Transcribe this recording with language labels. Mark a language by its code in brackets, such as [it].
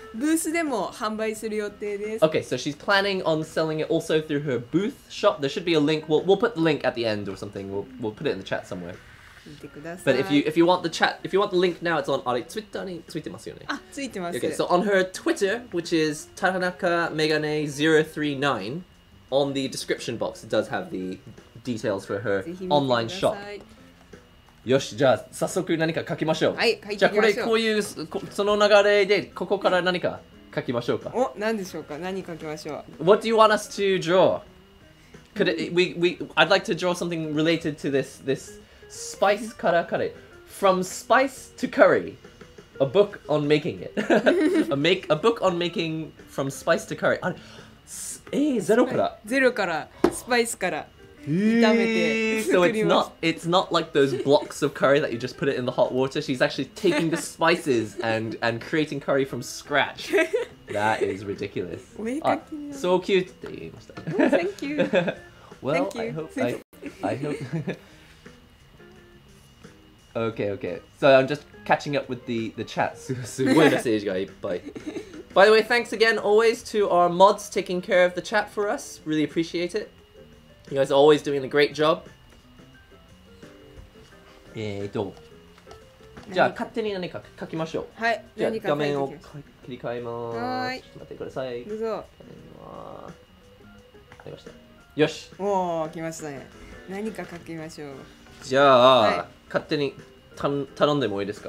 [ja] ブースでも販売する予定です。 [en] Okay, so she's planning on selling it also through her booth shop. There should be a link. We'll put the link at the end or something. We'll put it in the chat somewhere. But if you want the chat, if you want the link now, it's on [ja] あれ Twitter についてますよね。あ、ついてます。 [en] Okay, so on her Twitter, which is Tanaka Megane 039, on the description box, it does have the details for her online shop. [ja] よし、じゃあ早速何か書きましょう。はい、書いてみましょう。じゃあこれこういうその流れでここから何か書きましょうか。お、何でしょうか。何書きましょう。 [en] What do you want us to draw? Could we? I'd like to draw something related to this. Spice [ja] からカレー [en] From spice to curry A book on making it a book on making from spice to curry [ja] あれ、ゼロからゼロからスパイスから炒めて [en] So it's not like those blocks of curry that you just put it in the hot water She's actually taking the spices and creating curry from scratch That is ridiculous So cute [ja] って言いました [en] Thank you Well, Thank you. I hope Okay, okay. So I'm just catching up with the chat. [ja] すごいメッセージがいっぱい。 [en] By the way, thanks again always to our mods taking care of the chat for us. Really appreciate it. You guys are always doing a great job. [ja] じゃあ勝手に何か書きましょう。はい。じゃあ画面を切り替えます。はい。待ってください。どうぞ。画面は。ありました。よし。おお、来ましたね。何か書きましょう。じゃあ。はい勝手に頼んでもいいですか。